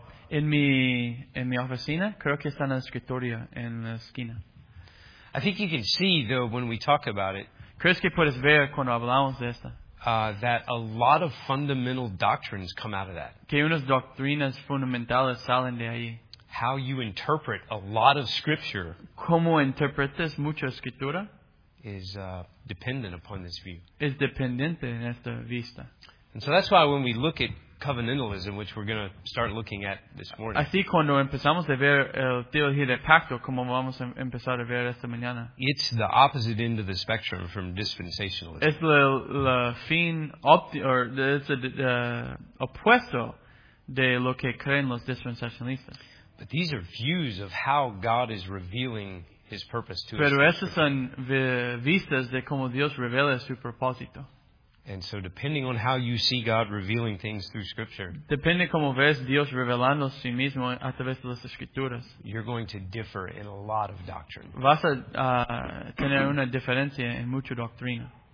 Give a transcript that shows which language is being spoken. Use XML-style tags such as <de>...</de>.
<es>En mi oficina, creo que está en el escritorio en la esquina.</es> <en>I think you can see, though, when we talk about it,</en> <es>¿crees que puedes ver cuando hablamos de esta?</es> <en>That a lot of fundamental doctrines come out of that.</en> <es>Que unas doctrinas fundamentales salen de ahí.</es> <en>How you interpret a lot of scripture,</en> <es>¿cómo interpretas mucha escritura?</es> <en>Is dependent upon this view.</en> <es>Es dependiente en esta vista.</es> <en>And so that's why when we look at covenantalism, which we're going to start looking at this morning.</en> <es>Así cuando empezamos a ver el teología del pacto, como vamos a empezar a ver esta mañana.</es> <en>It's the opposite end of the spectrum from dispensationalism.</en> <es>Es la fin opuesto de lo que creen los dispensacionalistas.</es> <en>But these are views of how God is revealing His purpose to us.</en> <es>Pero esas son vistas de cómo Dios revela su propósito.</es> <en>And so depending on how you see God revealing things through Scripture,</en> <es>depende cómo ves Dios revelando a sí mismo a través de las Escrituras,</es> <en>you're going to differ in a lot of doctrine.</en> <es>Vas a tener una diferencia en mucha doctrina.</es>